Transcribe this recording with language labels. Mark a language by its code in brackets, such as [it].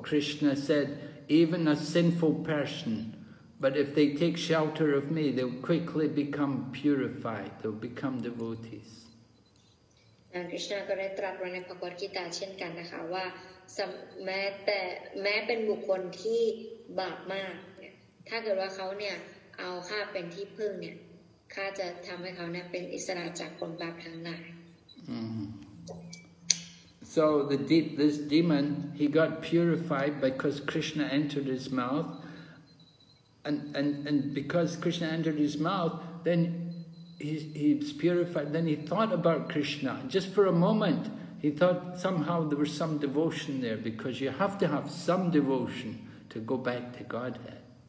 [en] Krishna said, even a sinful person, but if they take shelter of me, they'll quickly become purified, they'll become devotees. [th] Krishna ก็ได้ตรัสไว้ในพระกวดกีตาเช่นกันนะคะว่าแม้เป็นบุคคลที่บาปมากถ้าเกิดว่าเขาเนี่ยเอาข้าเป็นที่พึ่งเนี่ยข้าจะทำให้เขาเนี่ยเป็นอิสระจากผลบาปทั้งหลาย [en] So this demon, he got purified because Krishna entered his mouth. And because Krishna entered his mouth, then he's purified. Then he thought about Krishna. Just for a moment, he thought somehow there was some devotion there because you have to have some devotion to go back to Godhead.